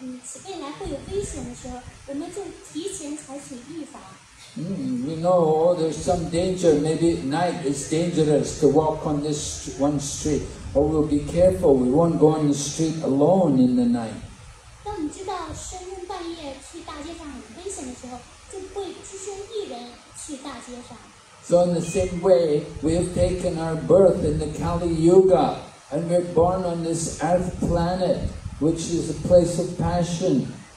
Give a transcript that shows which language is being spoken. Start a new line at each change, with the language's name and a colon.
Chinese: 此未来会有危险的时候，我们就提前采取预防。
English: We know there's some danger. Maybe at night it's dangerous to walk on this one street. Or we'll be careful. We won't go on the street alone in the night.
Chinese: 当我们知道深更半夜去大街上很危险的时候，就不会只身一人去大街上。
English: So in the same way, we have taken our birth in the Kali Yuga, and we're born on this earth planet, which is a place of passion.